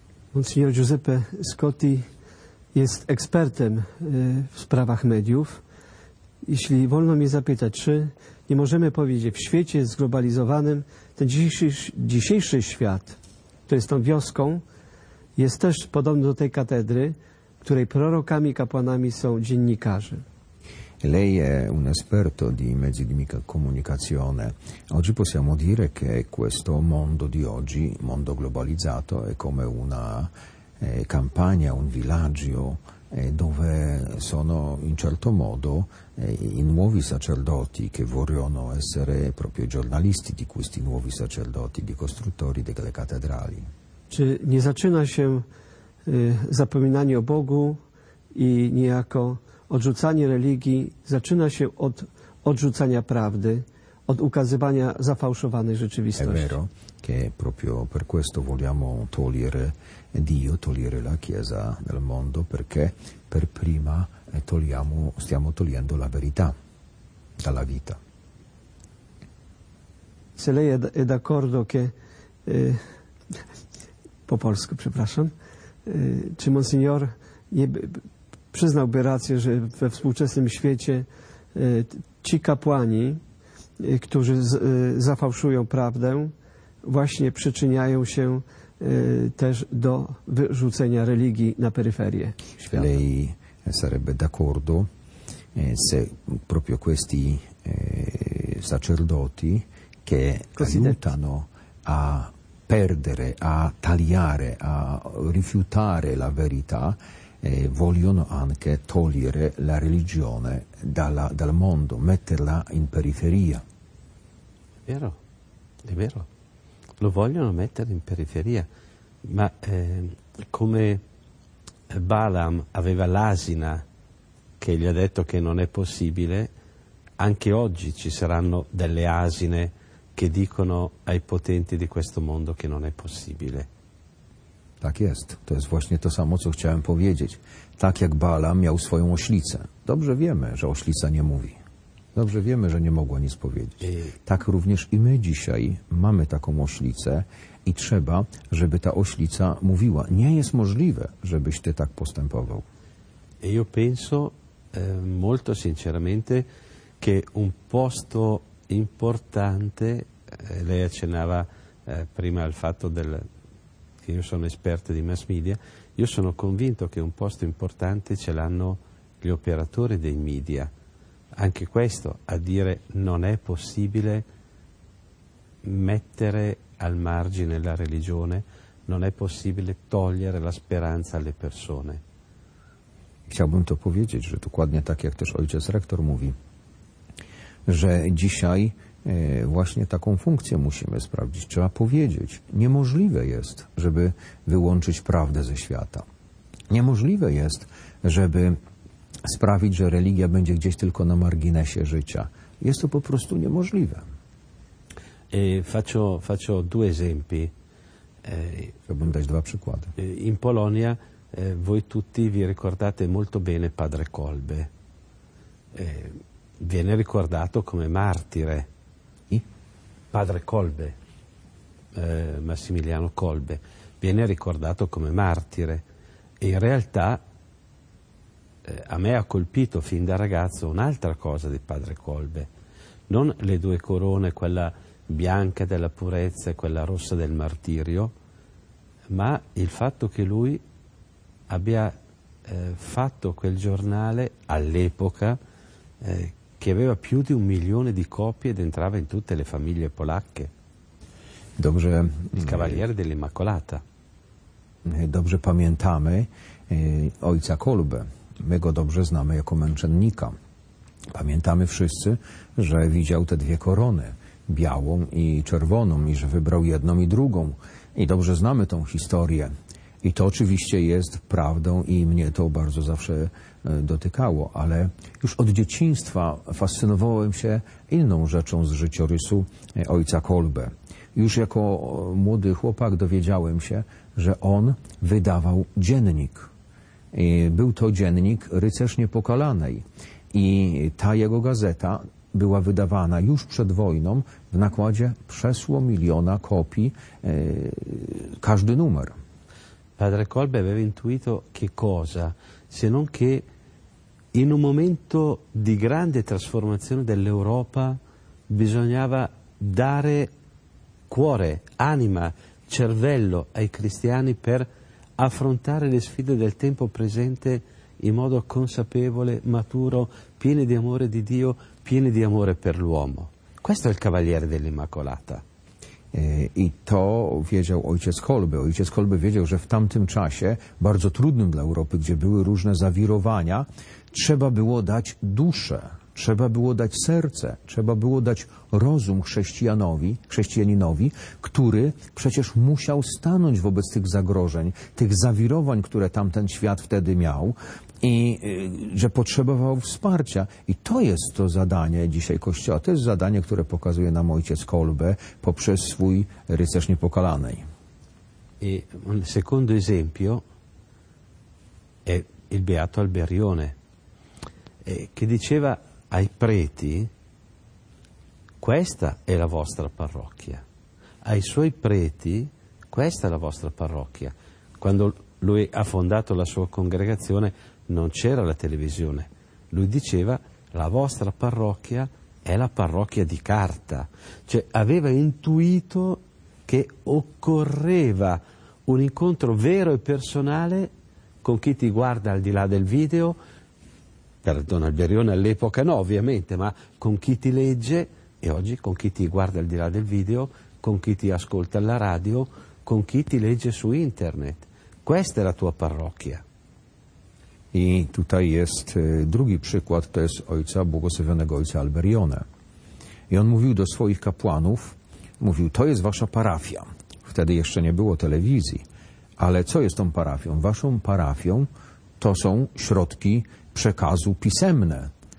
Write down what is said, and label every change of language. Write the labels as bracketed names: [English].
[Polish] Monsignor Giuseppe Scotti jest ekspertem w sprawach mediów. Jeśli wolno mi zapytać, czy nie możemy powiedzieć, w świecie zglobalizowanym ten dzisiejszy świat, to jest tą wioską, jest też podobny do tej katedry, której prorokami, kapłanami są dziennikarze. [Italian] Lei è un esperto di mezzi di comunicazione. Oggi possiamo dire che questo mondo di oggi, mondo globalizzato, è come una campagna, un villaggio dove sono in certo modo i nuovi sacerdoti che vorranno essere proprio giornalisti di questi nuovi sacerdoti, di costruttori delle cattedrali. [Polish] Czy nie zaczyna się zapominanie o Bogu i niejako odrzucanie religii, zaczyna się od odrzucania prawdy, od ukazywania zafałszowanej rzeczywistości. [Italian] È vero che proprio per questo vogliamo togliere Dio, togliere la Chiesa nel mondo, perché per prima stiamo togliendo la verità dalla vita. Se lei è d'accordo che [Polish] po polsku, przepraszam, czy Monsignor przyznałby rację, że we współczesnym świecie ci kapłani, którzy zafałszują prawdę, właśnie przyczyniają się też do wyrzucenia religii na peryferię świata? [Italian] Lei sarebbe d'accordo se proprio questi sacerdoti che aiutano a perdere, a tagliare, a rifiutare la verità e vogliono anche togliere la religione dal mondo, metterla in periferia. È vero, è vero. Lo vogliono mettere in periferia, ma come Balaam aveva l'asina che gli ha detto che non è possibile, anche oggi ci saranno delle asine che dicono ai potenti di questo mondo che non è possibile. [Polish] Tak jest. To jest właśnie to samo, co chciałem powiedzieć. Tak jak Balaam miał swoją oślicę. Dobrze wiemy, że oślica nie mówi. Dobrze wiemy, że nie mogła nic powiedzieć. Tak również i my dzisiaj mamy taką oślicę i trzeba, żeby ta oślica mówiła. Nie jest możliwe, żebyś ty tak postępował. [Italian] Io penso molto sinceramente che un posto importante, lei accennava prima al fatto del... Io sono esperto di mass media, io sono convinto che un posto importante ce l'hanno gli operatori dei media. Anche questo a dire non è possibile mettere al margine la religione, non è possibile togliere la speranza alle persone. [Polish] Chciałbym to powiedzieć, że dokładnie tak jak też ojciec rektor mówi, że dzisiaj właśnie taką funkcję musimy sprawdzić. Trzeba powiedzieć, niemożliwe jest, żeby wyłączyć prawdę ze świata. Niemożliwe jest, żeby sprawić, że religia będzie gdzieś tylko na marginesie życia. Jest to po prostu niemożliwe. [Italian] Faccio due esempi. [Polish] Chciałbym dać dwa przykłady. [Italian] In Polonia voi tutti vi ricordate molto bene padre Kolbe. Viene ricordato come martire. Padre Kolbe, Massimiliano Kolbe, viene ricordato come martire. E in realtà a me ha colpito fin da ragazzo un'altra cosa di padre Kolbe. Non le due corone, quella bianca della purezza e quella rossa del martirio, ma il fatto che lui abbia fatto quel giornale all'epoca che aveva più di un milione di copie ed entrava in tutte le famiglie polacche. [Polish] Dobrze, [Italian] il Cavaliere dell'Immacolata. [Polish] Dobrze pamiętamy ojca Kolbe. My go dobrze znamy jako męczennika. Pamiętamy wszyscy, że widział te dwie korony, białą i czerwoną, i że wybrał jedną i drugą. I dobrze znamy tą historię. I to oczywiście jest prawdą i mnie to bardzo zawsze dotykało, ale już od dzieciństwa fascynowałem się inną rzeczą z życiorysu ojca Kolbe. Już jako młody chłopak dowiedziałem się, że on wydawał dziennik. Był to dziennik Rycerz Niepokalanej i ta jego gazeta była wydawana już przed wojną w nakładzie przeszło miliona kopii, każdy numer. [Italian] Padre Kolbe aveva intuito che cosa, se non che in un momento di grande trasformazione dell'Europa bisognava dare cuore, anima, cervello ai cristiani per affrontare le sfide del tempo presente in modo consapevole, maturo, pieno di amore di Dio, pieno di amore per l'uomo. Questo è il Cavaliere dell'Immacolata. [Polish] I to wiedział ojciec Kolbe. Ojciec Kolbe wiedział, że w tamtym czasie, bardzo trudnym dla Europy, gdzie były różne zawirowania, trzeba było dać duszę, trzeba było dać serce, trzeba było dać rozum chrześcijaninowi, który przecież musiał stanąć wobec tych zagrożeń, tych zawirowań, które tamten świat wtedy miał i że potrzebował wsparcia. I to jest to zadanie dzisiaj Kościoła. To jest zadanie, które pokazuje nam ojciec Kolbe poprzez swój Rycerz Niepokalanej. [Italian] I secondo esempio è il Beato Alberione, che diceva ai preti, questa è la vostra parrocchia, ai suoi preti, questa è la vostra parrocchia. Quando lui ha fondato la sua congregazione non c'era la televisione, lui diceva la vostra parrocchia è la parrocchia di carta, cioè aveva intuito che occorreva un incontro vero e personale con chi ti guarda al di là del video, per Don Alberione all'epoca no ovviamente, ma con chi ti legge e oggi con chi ti guarda al di là del video, con chi ti ascolta alla radio, con chi ti legge su internet. Questa è la tua parrocchia. [Polish] I tutaj jest drugi przykład, to jest ojca, błogosławionego ojca Alberione. I on mówił do swoich kapłanów, mówił, to jest wasza parafia. Wtedy jeszcze nie było telewizji. Ale co jest tą parafią? Waszą parafią to są środki przekazu pisemne.